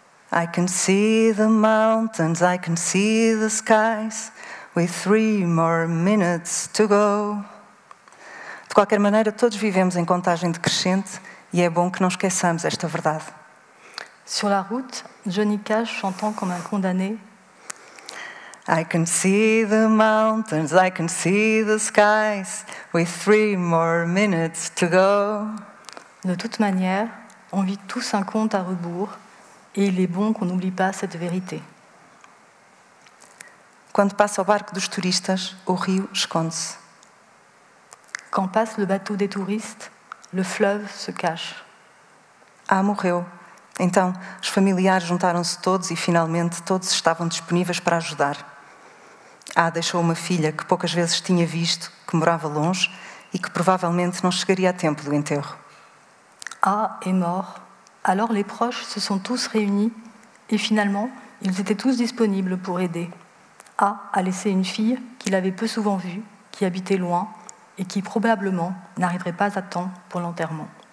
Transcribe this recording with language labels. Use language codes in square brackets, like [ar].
[en] I can see the mountains, I can see the skies, with 3 more minutes to go. [pt] De qualquer maneira, todos vivemos em contagem decrescente e é bom que não esqueçamos esta verdade. [fr] Sur la route, Johnny Cash chantant comme un condamné. [en] I can see the mountains, I can see the skies, with 3 more minutes to go. [fr] De toute manière, on vit tous un compte à rebours, et il est bon qu'on n'oublie pas cette vérité. Quand passe au [pt] barco dos turistas, o rio esconde-se. [fr] Quand passe le bateau des touristes, le fleuve se cache. [pt] Ah, morreu. Então, os familiares juntaram-se todos e, finalmente, todos estavam disponíveis para ajudar. Ah, deixou uma filha que poucas vezes tinha visto, que morava longe e que provavelmente não chegaria a tempo do enterro. [fr] Ah, est mort. Alors les proches se sont tous réunis et finalement, ils étaient tous disponibles pour aider. Ah a laissé une fille qu'il avait peu souvent vue, qui habitait loin et qui probablement n'arriverait pas à temps pour l'enterrement.